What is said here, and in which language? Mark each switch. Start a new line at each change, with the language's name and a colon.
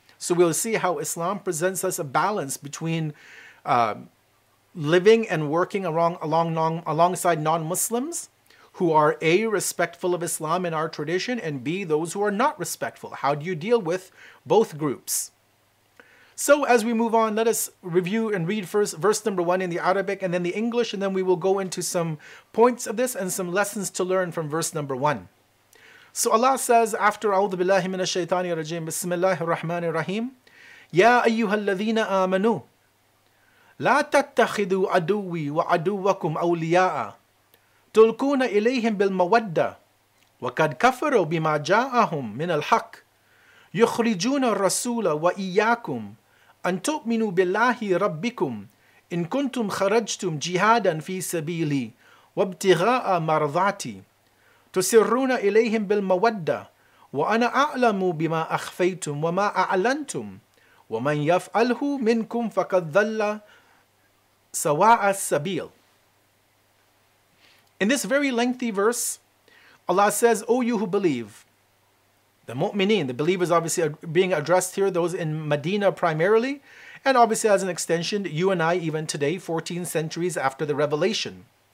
English: So we'll see how Islam presents us a balance between living and working alongside non-Muslims, who are A, respectful of Islam and our tradition, and B, those who are not respectful. How do you deal with both groups? So as we move on, let us review and read first verse number 1 in the Arabic and then the English, and then we will go into some points of this and some lessons to learn from verse number 1. So Allah says, after
Arabic: أعوذ بالله من الشيطان الرجيم بسم الله الرحمن الرحيم يا أيها الذين آمنوا لا تتخذوا عدوي وعدوكم أولياء تلقون إليهم بالمودة وقد كفروا بما جاءهم من الحق يخرجون الرسول وإياكم أن تؤمنوا بالله ربكم إن كنتم خرجتم جهادا في سبيلي وابتغاء مرضاتي تسرون إليهم بالمودة وأنا أعلم بما أخفيتم وما أعلنتم ومن يفعله منكم فقد ضل سواء السبيل.
English: In this very lengthy verse, Allah says, O you who believe, the mu'mineen, the believers obviously are being addressed here, those in Medina primarily, and obviously as an extension, you and I even today, 14 centuries after the revelation.